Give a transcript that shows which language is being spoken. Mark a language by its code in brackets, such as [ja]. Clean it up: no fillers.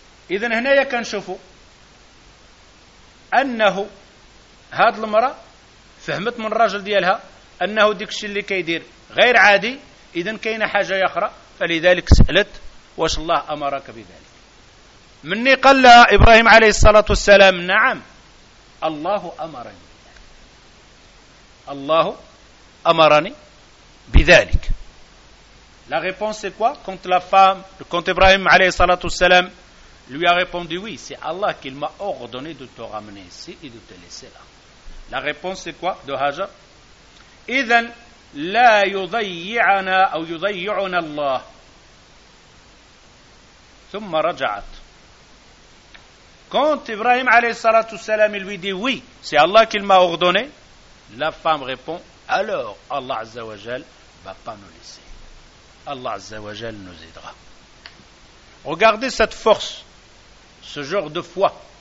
[ar] إذن هنا كنشوفوا أنه هاد المرأة فهمت من الرجل ديالها أنه ديك الشيء اللي كيدير غير عادي، إذن كاينه حاجة أخرى، فلذلك سألت: واش الله أمرك بذلك؟ مني قال لها إبراهيم عليه الصلاة والسلام: نعم، الله أمرني، الله أمرني بذلك. [fr] La réponse c'est quoi? Quand la femme, quand Ibrahim عليه الصلاة والسلام lui a répondu: oui, c'est Allah qui m'a ordonné de te ramener ici et de te laisser là. La réponse c'est quoi de Hajar? [ar] إذن لا يضيعنا أو يضيعنا الله. ثم رجعت. [fr] Quand Ibrahim عليه الصلاة والسلام lui dit: oui, c'est Allah qui m'a ordonné, la femme répond: alors Allah Azza wa Jal va pas nous laisser. Allah Azza wa Jal nous aidera. Regardez cette force, ce genre de foi.